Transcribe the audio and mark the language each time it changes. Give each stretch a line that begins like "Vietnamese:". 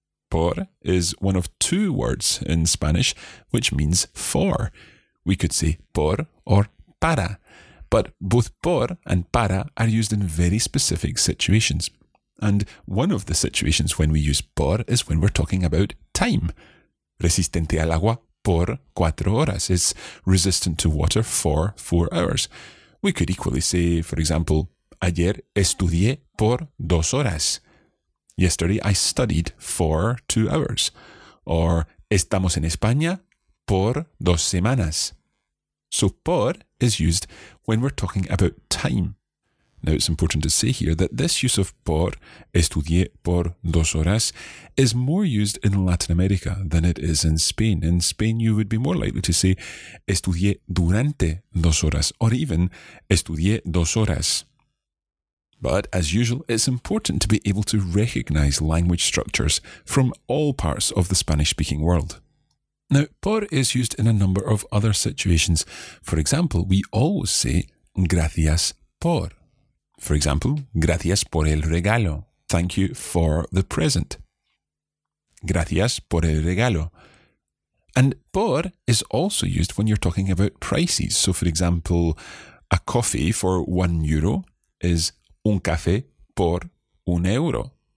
English: Por is one of two words in Spanish which means for. We could say por or para. But both por and para are used in very specific situations. And one of the situations when we use por is when we're talking about time.
Spanish: Resistente al agua por 4 horas.
English: It's resistant to water for 4 hours. We could equally say, for example,
Spanish: ayer estudié por 2 horas.
English: Yesterday I studied for 2 hours. Or
Spanish: estamos en España por 2 semanas.
English: So por is used when we're talking about time. Now, it's important to say here that this use of por,
Spanish: estudié por dos horas,
English: is more used in Latin America than it is in Spain. In Spain, you would be more likely to say
Spanish: estudié durante dos horas,
English: or even
Spanish: estudié dos horas.
English: But, as usual, it's important to be able to recognise language structures from all parts of the Spanish-speaking world. Now, por is used in a number of other situations. For example, we always say gracias por. For example,
Spanish: gracias por el regalo.
English: Thank you for the present.
Spanish: Gracias por el regalo.
English: And por is also used when you're talking about prices. So, for example, a coffee for 1 euro is
Spanish: un café por un euro.